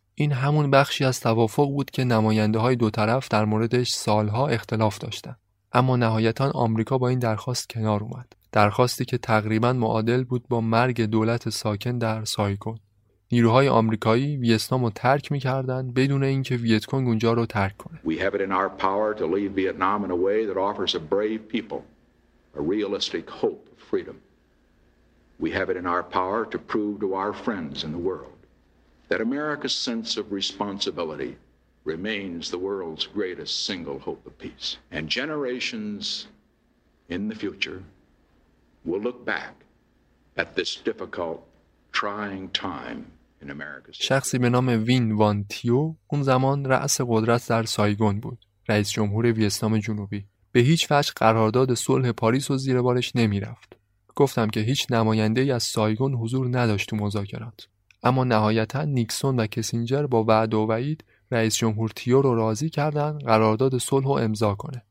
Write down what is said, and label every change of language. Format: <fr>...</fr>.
<fa>این همون بخشی از توافق بود که نماینده‌های دو طرف در موردش سالها اختلاف داشتن. اما نهایتاً آمریکا با این درخواست کنار اومد. درخواستی که تقریباً معادل بود با مرگ دولت ساکن در سایگون. نیروهای آمریکایی ویتنامو ترک می‌کردند بدون اینکه ویتکونگ اونجا رو ترک کنه.</fa> <en>We have it in our power to leave Vietnam in a way that offers a brave people a realistic hope of freedom. We have it in our power to prove to our friends in the world that America's sense of responsibility remains the world's greatest single hope of peace. And generations in the future will look back at this difficult, trying time in America's history.</en> <fa>شخصی به نام وین وان تیو اون زمان رأس قدرت در سایگون بود، رئیس جمهور ویتنام جنوبی. به هیچ وجه قرارداد صلح پاریس رو زیر بارش نمی رفت. گفتم که هیچ نماینده ای از سایگون حضور نداشت تو مذاکرات. اما نهایتا نیکسون و کسینجر با وعده و وعید رئیس جمهور تیو رو راضی کردن قرارداد صلح رو امضا کنه.</fa>